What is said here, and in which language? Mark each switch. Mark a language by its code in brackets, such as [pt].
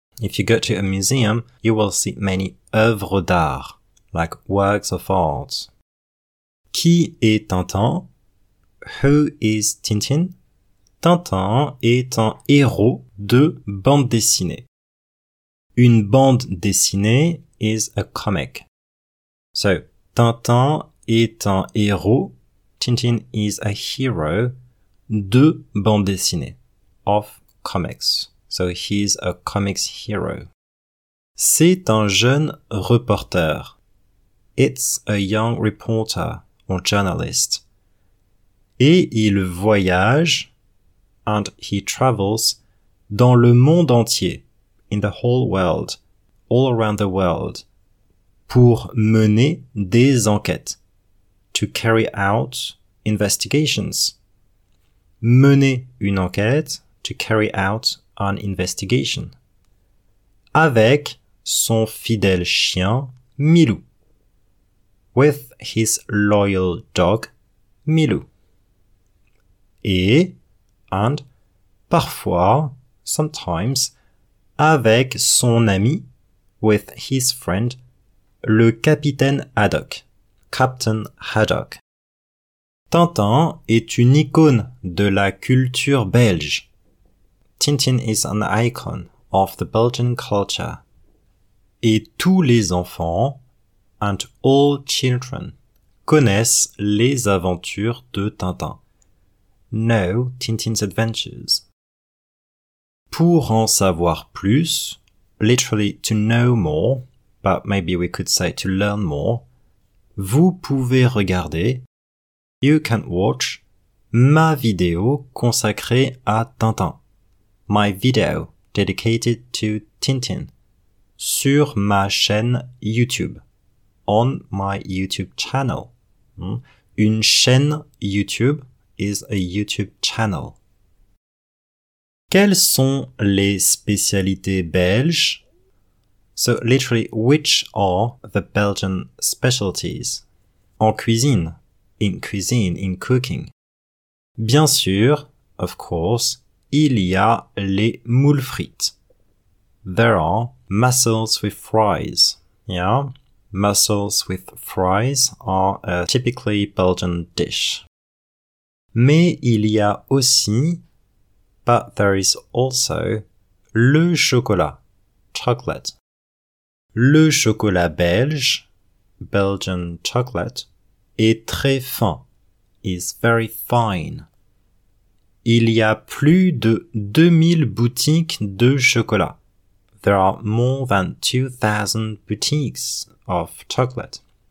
[en] If you go to a museum, you will see many [fr] œuvres d'art, [en] like works of art. [fr] Qui est Tintin? [en] Who is Tintin? [fr] Tintin est un héros de bande dessinée. Une bande dessinée [en] is a comic. So, [fr] Tintin est un héros, [en] Tintin is a hero, [fr] de bande dessinée, [en] of comics. So, he is a comics hero. [fr] C'est un jeune reporter. [en] It's a young reporter or journalist. [fr] Et il voyage, [en] and he travels, [fr] dans le monde entier. [en] In the whole world, all around the world, [fr] pour mener des enquêtes, [en] to carry out investigations. [fr] Mener une enquête, [en] to carry out an investigation. [fr] Avec son fidèle chien, Milou. [en] With his loyal dog, Milou. [fr] Et, [en] and, [fr] parfois, [en] sometimes, [fr] avec son ami, [en] with his friend, [fr] le capitaine Haddock, [en] Captain Haddock. [fr] Tintin est une icône de la culture belge. [en] Tintin is an icon of the Belgian culture. [fr] Et tous les enfants, [en] and all children, [fr] connaissent les aventures de Tintin. [en] Know Tintin's adventures. [fr] Pour en savoir plus, [en] literally to know more, but maybe we could say to learn more, [fr] vous pouvez regarder, [en] you can watch, [fr] ma vidéo consacrée à Tintin. [en] My video dedicated to Tintin. [fr] Sur ma chaîne YouTube. [en] On my YouTube channel. [fr] Une chaîne YouTube [en] is a YouTube channel. [fr] Quelles sont les spécialités belges? [en] So literally, which are the Belgian specialties? [fr] En cuisine. [en] In cuisine, in cooking. [fr] Bien sûr, [en] of course, [fr] il y a les moules frites. [en] There are mussels with fries. Yeah, mussels with fries are a typically Belgian dish. [fr] Mais il y a aussi, [en] but there is also, [fr] le chocolat, [en] chocolate. [fr] Le chocolat belge, [en] Belgian chocolate, [fr] est très fin, [en] is very fine. [fr] Il y a plus de 2000 boutiques de chocolat. [en] There are more than 2000 boutiques of chocolate.